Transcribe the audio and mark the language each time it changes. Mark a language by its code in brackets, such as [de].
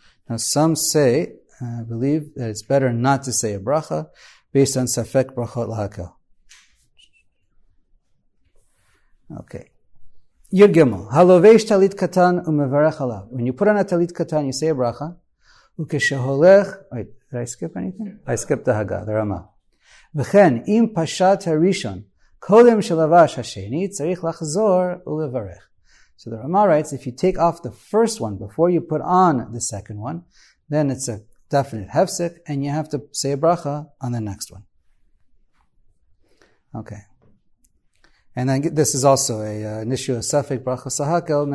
[en] Now some say, I believe, that it's better not to say a bracha based on safek brachot lahakel. [he] Okay. Yud Gimel. Halovesh talit katan umevarech alav. [en] When you put on a talit katan, you say a bracha. וכשהולך, wait, did I skip anything? I skipped the Haga, the Rama. [he] וכן, אם פשט הראשון, קודם שלבש השני, צריך לחזור ולברך. [en] So the Rama writes, if you take off the first one before you put on the second one, then it's a definite hefsek, and you have to say a bracha on the next one. Okay. And then this is also an issue of safek bracha sahakel.